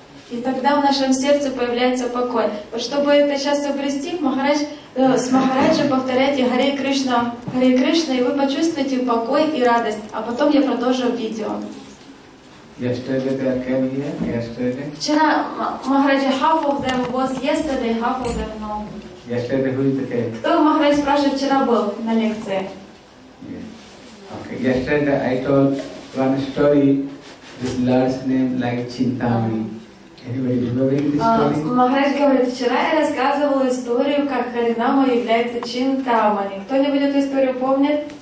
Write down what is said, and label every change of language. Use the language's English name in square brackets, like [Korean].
[Russian] И тогда в нашем сердце появляется покой. Чтобы это сейчас обрести, Махарадж, с Махараджа повторяйте Харе Кришна, Харе Кришна, и вы почувствуете покой и радость. А потом я продолжу видео. [English] Yesterday they came here, yesterday. [Russian] Вчера Махараджа, [English] half of them was yesterday, half of them no. Yesterday who is the case? [Russian] Кто Махарадж спрашивает, вчера был на лекции? [English] Yes. Okay. Yesterday I told one story with Lord's name like Chintamani. [Russian] Махарадж говорит, вчера я рассказывал историю, как Харинама является Чинтамани. Кто-нибудь эту историю помнит?